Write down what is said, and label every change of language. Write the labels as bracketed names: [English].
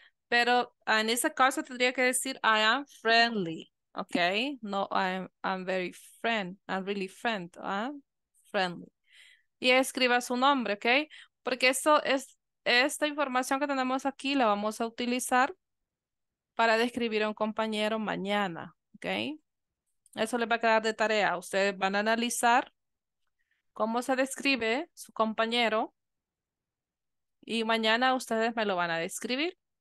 [Spanish] Pero en ese caso tendría que decir, [English] I am friendly, [Spanish] okay? [English] No, I'm very friend, I'm really friend, I'm friendly. [Spanish] Y escriba su nombre, okay? Porque eso es, esta información que tenemos aquí la vamos a utilizar para describir a un compañero mañana, okay? Eso les va a quedar de tarea. Ustedes van a analizar cómo se describe su compañero y mañana ustedes me lo van a describir.